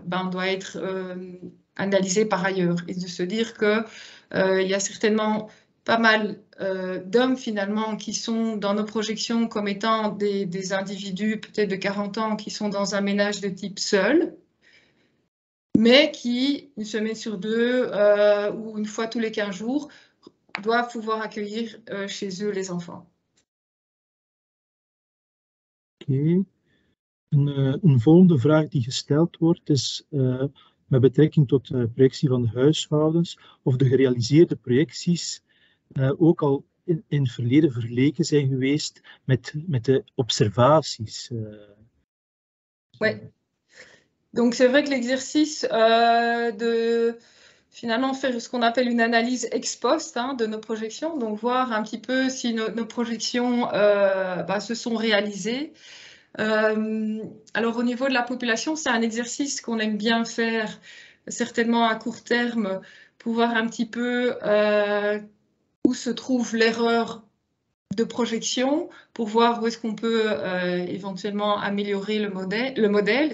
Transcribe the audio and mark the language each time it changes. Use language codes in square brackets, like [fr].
[fr] doit être analysée par ailleurs et de se dire que il y a certainement pas mal d'hommes finalement qui sont dans nos projections comme étant des individus peut-être de 40 ans qui sont dans un ménage de type seul, mais qui, une semaine sur deux ou une fois tous les 15 jours, doivent pouvoir accueillir chez eux les enfants. Ok. Une [nl] volgende vraag die gesteld wordt is met betrekking tot de projectie van de huishoudens of de gerealiseerde projecties ook al in het verleden vergeleken zijn geweest met de observaties. [fr] Oui. Donc c'est vrai que l'exercice de finalement faire ce qu'on appelle une analyse ex post hein, de nos projections, donc voir un petit peu si nos projections se sont réalisées. Alors au niveau de la population, c'est un exercice qu'on aime bien faire, certainement à court terme, pour voir un petit peu où se trouve l'erreur de projection pour voir où est-ce qu'on peut éventuellement améliorer le modèle.